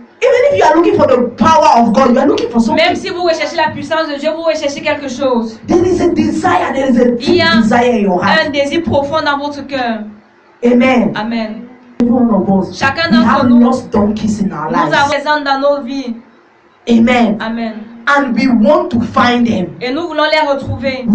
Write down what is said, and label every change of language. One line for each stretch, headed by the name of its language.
English: Even if you are looking for the power of God, you are looking for something.
French: Même si vous recherchez la puissance de Dieu, vous recherchez quelque chose.
English: There is a desire, there is a deep desire in your heart.
French: Un désir profond dans votre cœur. Amen. Amen.
English: Every one of us,
French: chacun d'entre
English: we have
French: nous,
English: lost donkeys in our
French: nous
English: lives.
French: Avons des ânes dans nos vies. Amen. Amen.
English: And we want to find them.
French: Et nous voulons les retrouver.